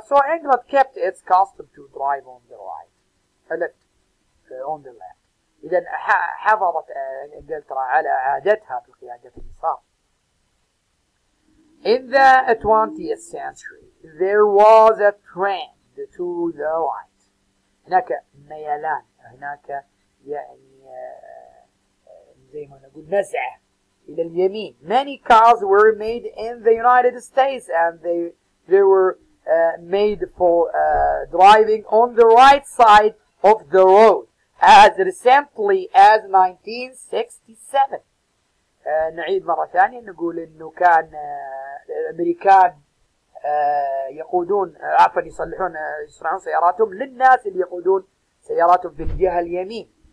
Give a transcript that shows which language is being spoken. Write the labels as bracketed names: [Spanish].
[English] So England kept its custom to drive on the right. Left. On the left. [Arabic] إذا حافظت إنجلترا على عادتها في قيادة اليسار. [English] In the 20th century, there was a trend to the right. [Arabic] هناك ميلان, هناك يعني زي ما نقول نزعة إلى اليمين. [English] Many cars were made in the United States and they were made for driving on the right side of the road as recently as 1967. [Arabic] نعيد مرة ثانية نقول إنه كان الأمريكان يقودون عفوا يصلحون يصنعون سياراتهم للناس اللي يقودون سياراتهم بالجهة اليمين.